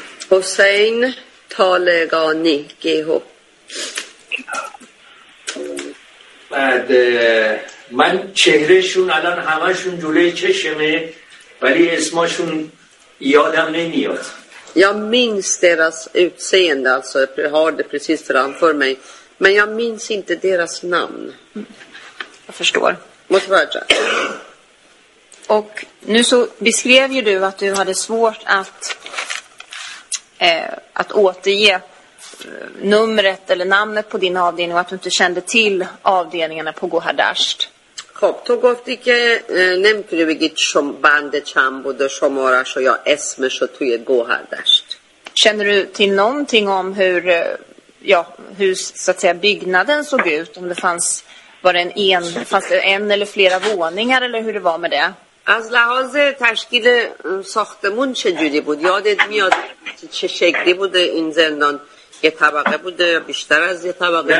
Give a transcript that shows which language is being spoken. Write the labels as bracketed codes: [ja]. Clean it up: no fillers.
[fa] حسین طالقانی گیهو. بعد من چهرهشون الان همشون جلوی چشمه ولی اسمشون یادم نمیاد. [sv] Jag minns deras utseende, alltså jag har det precis framför mig. Men jag minns inte deras namn. Jag förstår. Motvärja. Och nu så beskrev ju du att du hade svårt att, att återge numret eller namnet på din avdelning och att du inte kände till avdelningarna på Gohardasht. [fa] خب تو گفتی که نمیتونی بگی چون بند چند بود و شمارش و یا اسمش رو توی گوهر داشت. [sv] Känner du till någonting om hur ja, hur så att säga byggnaden såg ut, om det fanns var det en eller flera våningar eller hur det var med det? [fa] از لحاظ تشکیل ساختمون چجوری بود؟ یادت میاد چه شکلی بود این زندان؟ یه طبقه بوده یا بیشتر از یه طبقه؟